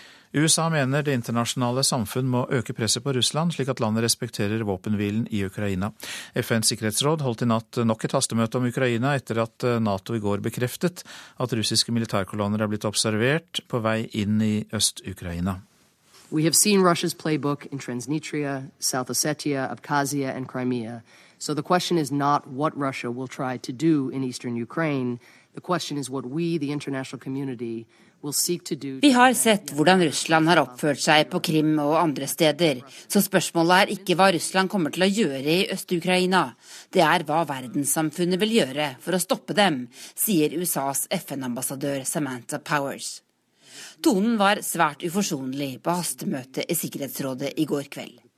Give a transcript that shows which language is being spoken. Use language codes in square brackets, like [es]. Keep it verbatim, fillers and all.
[no] U S A mener det internasjonale samfunn må øke presset på Russland, slik at landet respekterer våpenhvilen i Ukraina. F N's sikkerhetsråd holdt i natt nok et hastemøte om Ukraina etter at NATO i går bekreftet at russiske militærkolonner er blitt observert på vei inn i Øst-Ukraina. [en] We have seen Russia's playbook in Transnistria, South Ossetia, Abkhazia and Crimea. So the question is not what Russia will try to do in eastern Ukraine. The question is what we, the international community, will seek to do. [no] Vi har sett hvordan Russland har oppført seg på Krim og andre steder. Så spørsmålet er ikke hva Russland kommer til å gjøre i Øst-Ukraina. Det er hva verdenssamfunnet vil gjøre for å stoppe dem, sier U S A's F N-ambassadør Samantha Powers. Tonen var svært uforsonlig på hastemøtet i Sikkerhetsrådet i går kveld.